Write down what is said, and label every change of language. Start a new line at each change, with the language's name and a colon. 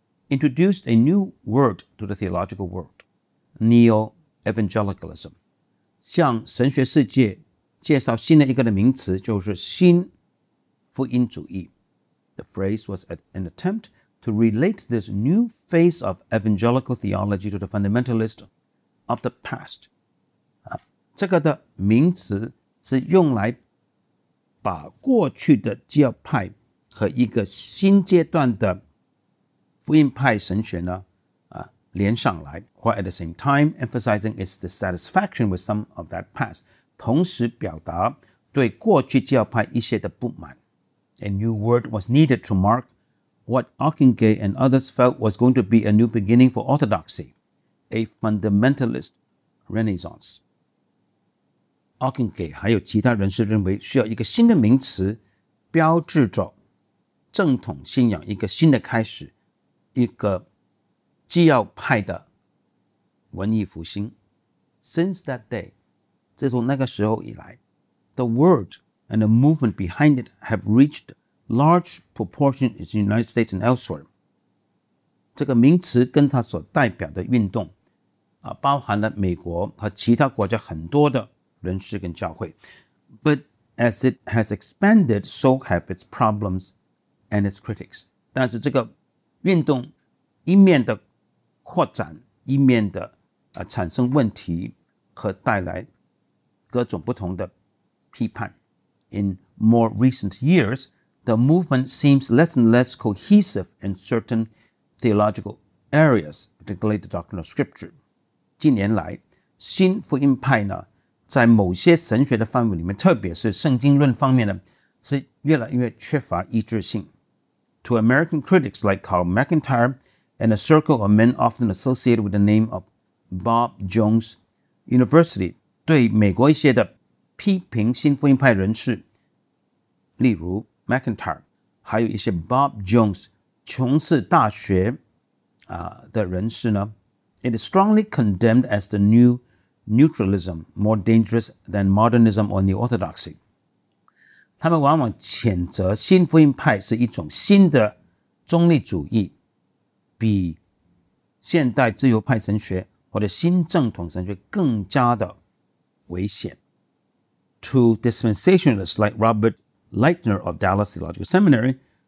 English: Introduced a new word to the theological world, Neo-Evangelicalism.
Chinese: 向神学世界介绍新的一个的名词就是新福音主义。
English: The phrase was an attempt to relate this new phase of evangelical theology to the fundamentalist of the past.
Chinese: 这个的名词是用来把过去的教派和一个新阶段的福音派神学呢连上来
English: while at the same time emphasizing its dissatisfaction with some of that past,
Chinese: 同时表达对过去教派一些的不满。
English: A new word was needed to mark what Ockengate and others felt was going to be a new beginning for orthodoxy, a fundamentalist renaissance.
Chinese: Ockengate 还有其他人士认为需要一个新的名词标志着正统信仰一个新的开始一个基要派的文艺复兴。
English: Since that day,
Chinese: 自从那个时候以来
English: the word and the movement behind it have reached large proportion in the United States and elsewhere.
Chinese: 这个名词跟它所代表的运动包含了美国和其他国家很多的人士跟教会。
English: But as it has expanded, so have its problems and its critics.
Chinese: 但是这个运动一面的扩展一面的产生问题和带来各种不同的批判。
English: In more recent years, the movement seems less and less cohesive in certain theological areas, particularly the doctrine of scripture.
Chinese: 近年来新福音派呢在某些神学的范围里面特别是圣经论方面呢是越来越缺乏一致性。
English: To American critics like Carl McIntyre, and a circle of men often associated with the name of Bob Jones University,
Chinese: 对美国一些的批评新福音派人士例如 McIntyre 还有一些 Bob Jones 琼斯大学的人士呢
English: It is strongly condemned as the new neutralism more dangerous than modernism or new orthodoxy
Chinese: 他们往往谴责新福音派是一种新的中立主义比现代自由派神学或者新正统神学更加的危险
English: To dispensationalists like Robert Leitner of Dallas Theological Seminary,